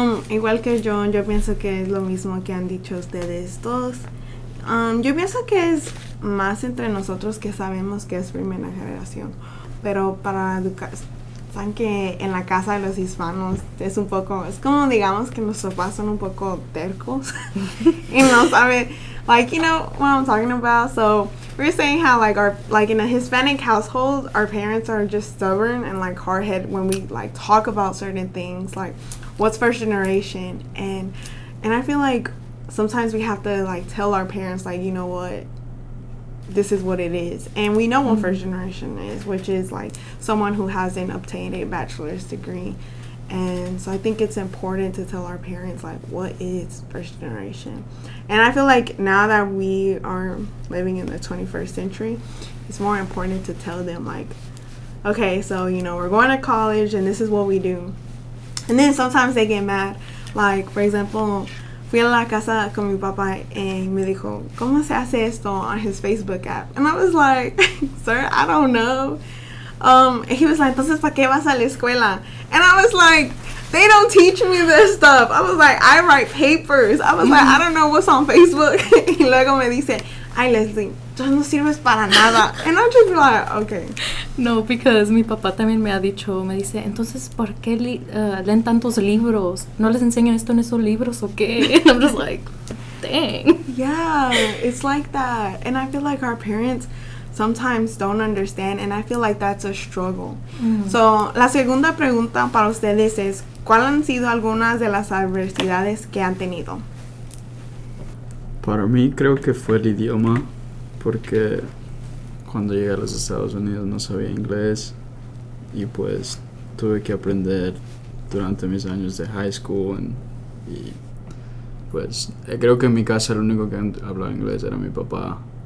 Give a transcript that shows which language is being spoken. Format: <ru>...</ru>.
<es>Igual que yo pienso que es lo mismo que han dicho ustedes dos. Yo pienso que es más entre nosotros que sabemos que es primera generación. Pero para educar, saben que en la casa de los hispanos es un poco, es como digamos que nuestros papás son un poco tercos. Y no saben,</es> <en>like, you know what I'm talking about. So, we're saying how, like, our, like, in a Hispanic household, our parents are just stubborn and, like, hard-headed when we, like, talk about certain things, like, what's first generation? And I feel like sometimes we have to like tell our parents, like, you know what, this is what it is. And we know what first generation is, which is like someone who hasn't obtained a bachelor's degree. And so I think it's important to tell our parents like what is first generation. And I feel like now that we are living in the 21st century, it's more important to tell them like, okay, so you know, we're going to college and this is what we do. And then sometimes they get mad. Like, for example,</en> <es>fui a la casa con mi papá y me dijo, ¿cómo se hace esto?</es> <en>On his Facebook app. And I was like, sir, I don't know. And he was like,</en> <es>¿entonces para qué vas a la escuela?</es> <en>And I was like, they don't teach me this stuff. I was like, I write papers. I was like, I don't know what's on Facebook.</en> <es>Y luego me dice, ay, Leslie, tú no sirves para nada.</es> <en>And I'm just like, okay.</en> <es>No, because mi papá también me ha dicho, me dice, entonces, ¿por qué leen tantos libros? ¿No les enseñan esto en esos libros o qué?</es> <en>And I'm just like, dang. Yeah, it's like that. And I feel like our parents sometimes don't understand, and I feel like that's a struggle.</en> <es>So, la segunda pregunta para ustedes es, ¿cuáles han sido algunas de las adversidades que han tenido? Para mí creo que fue el idioma, porque cuando llegué a los Estados Unidos no sabía inglés y pues tuve que aprender durante mis años de high school y pues creo que en mi casa el único que hablaba inglés era mi papá.</es>